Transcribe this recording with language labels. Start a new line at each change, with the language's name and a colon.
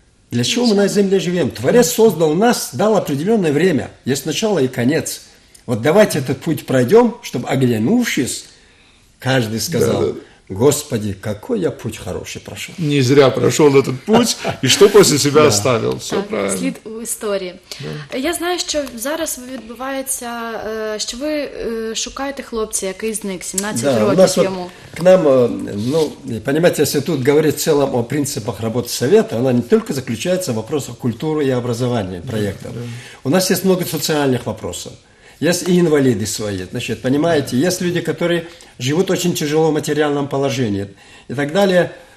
Russian: Для чего мы на Земле живем? Творец создал нас, дал определенное время. Есть начало и конец. Вот давайте этот путь пройдем, чтобы, оглянувшись, каждый сказал... Господи, какой я путь хороший прошел. Не зря прошел этот путь, и что после себя оставил. Все так, правильно.
Ukrainian: Слід у історії. Да. Я знаю, що зараз відбувається, що ви шукаєте хлопця, який зник, 17 років йому.
Russian: Вот к нам, ну, понимаете, если тут говорить в целом о принципах работы совета, она не только заключается в вопросах культуры и образования проектов. Да. У нас есть много социальных вопросов. Есть и инвалиды свои, значит, понимаете, есть люди, которые живут в очень тяжелом материальном положении и так далее.